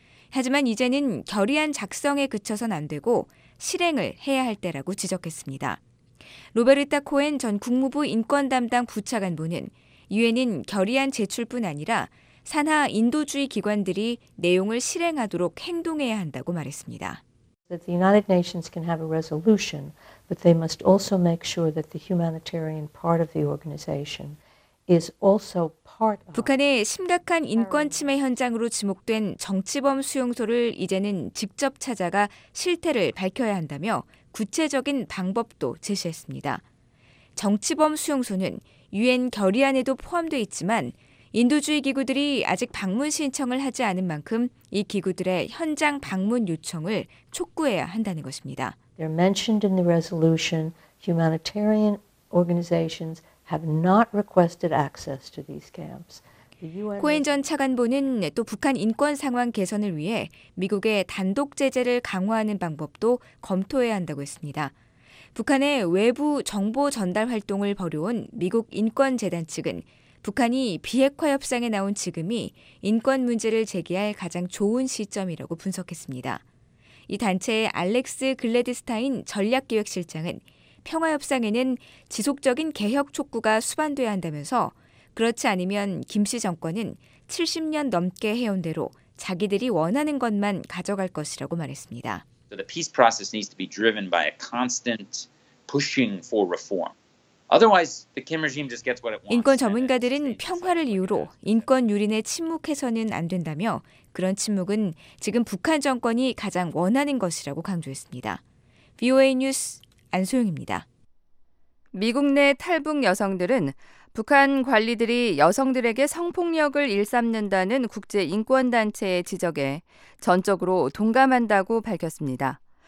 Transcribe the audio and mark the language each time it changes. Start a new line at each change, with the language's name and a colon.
Korean: 하지만 이제는 결의안 작성에 그쳐선 안 되고 실행을 해야 할 때라고 지적했습니다. 로베르타 코엔 전 국무부 인권 담당 부차관보는 유엔은 결의안 제출뿐 아니라 산하 인도주의 기관들이 내용을 실행하도록 행동해야 한다고 말했습니다.
English: The United Nations can have a resolution, but they must also make sure that the humanitarian part of the organization is also part of.
Korean: 북한의 심각한 인권 침해 현장으로 지목된 정치범 수용소를 이제는 직접 찾아가 실태를 밝혀야 한다며 구체적인 방법도 제시했습니다. 정치범 수용소는 유엔 결의안에도 포함돼 있지만 인도주의 기구들이 아직 방문 신청을 하지 않은 만큼 이 기구들의 현장 방문 요청을 촉구해야 한다는 것입니다.
English: They're mentioned in the resolution. Humanitarian organizations have not requested access to these camps.
Korean: 코엔 전 차관보는 또 북한 인권 상황 개선을 위해 미국의 단독 제재를 강화하는 방법도 검토해야 한다고 했습니다. 북한의 외부 정보 전달 활동을 벌여온 미국 인권재단 측은 북한이 비핵화 협상에 나온 지금이 인권 문제를 제기할 가장 좋은 시점이라고 분석했습니다. 이 단체의 알렉스 글래드스타인 전략기획실장은 평화협상에는 지속적인 개혁 촉구가 수반돼야 한다면서 그렇지 않으면 김씨 정권은 70년 넘게 해온 대로 자기들이 원하는 것만 가져갈 것이라고 말했습니다.
English: So the peace process needs to be driven by a constant pushing for reform. Otherwise, the Kim regime just gets what it wants.
Korean: 인권 전문가들은 평화를 이유로 인권 유린에 침묵해서는 안 된다며 그런 침묵은 지금 북한 정권이 가장 원하는 것이라고 강조했습니다. VOA 뉴스 안소영입니다. 미국 내 탈북 여성들은 북한 관리들이 여성들에게 성폭력을 일삼는다는 국제인권단체의 지적에 전적으로 동감한다고 밝혔습니다.